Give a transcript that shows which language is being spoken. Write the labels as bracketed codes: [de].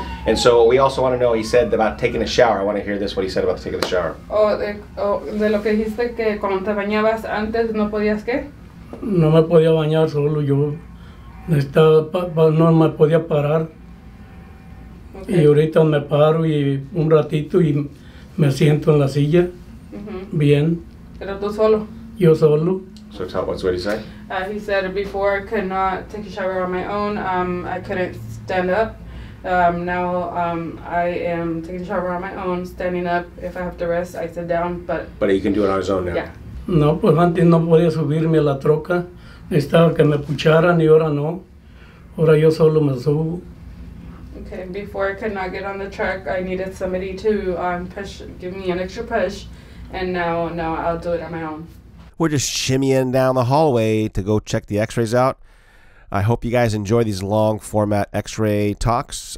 [en] And so we also want to know, he said about taking a shower. I want to hear this, what he said about taking a shower. [es] De lo que dijiste que cuando te bañabas antes no podías qué? No me podía bañar solo yo. No me podía parar. Okay. Y ahorita me paro y un ratito y me siento en la silla. Mm-hmm. Bien. Pero tú solo. Yo solo. [en] So tell us, what did he say? He said before I could not take a shower on my own. I couldn't stand up. Now I am taking a shower on my own, standing up. If I have to rest, I sit down. But he can do it on his own now. Yeah. [es] No, pues antes no podía subirme a la troca. Necesitaba que me pucharan y ahora no. Ahora yo solo me subo. [en] Okay, before I could not get on the truck, I needed somebody to push, give me an extra push. And now I'll do it on my own. We're just shimmying down the hallway to go check the x-rays out. I hope you guys enjoy these long format x-ray talks.